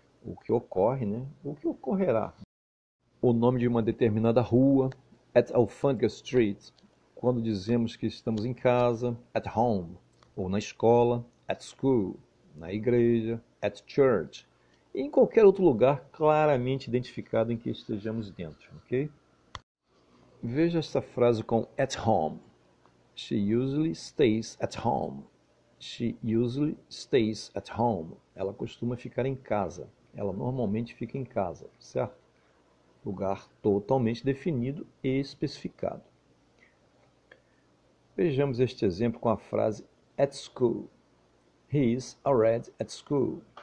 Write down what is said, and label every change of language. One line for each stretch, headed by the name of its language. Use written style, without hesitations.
Portuguese: O que ocorre, né? O que ocorrerá? O nome de uma determinada rua,
English: at Alfanga Street.
Portuguese: Quando dizemos que estamos em casa,
English: at home.
Portuguese: Ou na escola,
English: at school.
Portuguese: Na igreja,
English: at church.
Portuguese: E em qualquer outro lugar claramente identificado em que estejamos dentro, ok? Veja esta frase com
English: at home. She usually stays at home. She usually stays at home.
Portuguese: Ela costuma ficar em casa. Ela normalmente fica em casa, certo? Lugar totalmente definido e especificado. Vejamos este exemplo com a frase at school.
English: He is already at school.